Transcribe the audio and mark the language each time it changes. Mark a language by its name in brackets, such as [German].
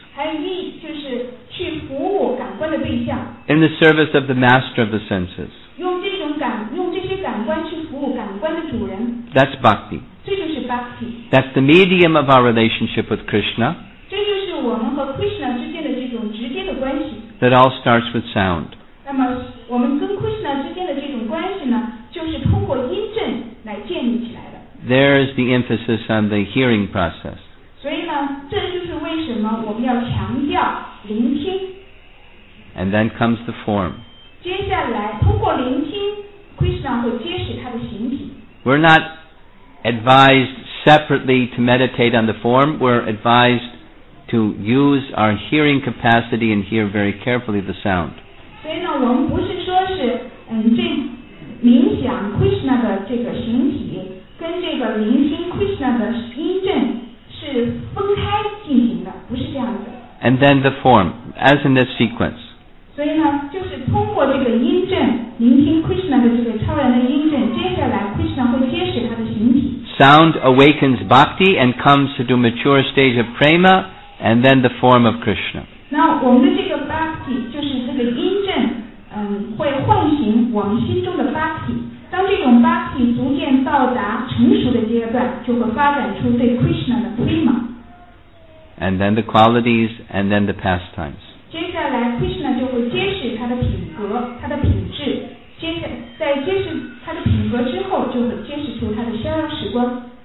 [Chinese] 还有意就是去服务感官的对象。 [English] In the service of the master of the senses. [Chinese] 用这种感，用这些感官去服务感官的主人。 [English] That's bhakti. [Chinese] 这就是 bhakti. [English] That's the medium of our relationship with Krishna. [Chinese] 这就是我们和 Krishna 之间的这种直接的关系。 [English] That all starts with sound. [Chinese] 那么我们跟 Krishna 之间的这种关系呢，就是通过音阵来建立起来的。 [English] There is the emphasis on the hearing process. [Chinese] 所以呢，这就是为什么我们要强调聆听。 [English] And then comes the form. [Chinese] 接下来，通过聆听 ，Krishna 会揭示他的形体。 [English] We're not advised separately to meditate on the form. We're advised to use our hearing capacity and hear very carefully the sound. [Chinese] 所以呢，我们不是说是这冥想 Krishna 的这个形体跟这个聆听 Krishna 的音阵。是分开进行的，不是这样子。 [English] And then the form, as in this sequence. [Chinese] 所以呢，就是通过这个音阵，聆听 Krishna 的这个超然的音阵，接下来 Krishna 会揭示他的形体。 [English] Sound awakens bhakti and comes to the mature stage of prema, and then the form of Krishna. [Chinese] 那我们的这个 bhakti 就是这个音阵，会唤醒我们心中的 bhakti。当这种 bhakti 逐渐到达成熟的阶段，就会发展出对 Krishna 的 prema。 [English] And then the qualities, and then the pastimes. [Chinese] 接下来 Krishna 就会揭示他的品格，他的品质。在揭示他的品格之后，就会揭示出他的逍遥时光。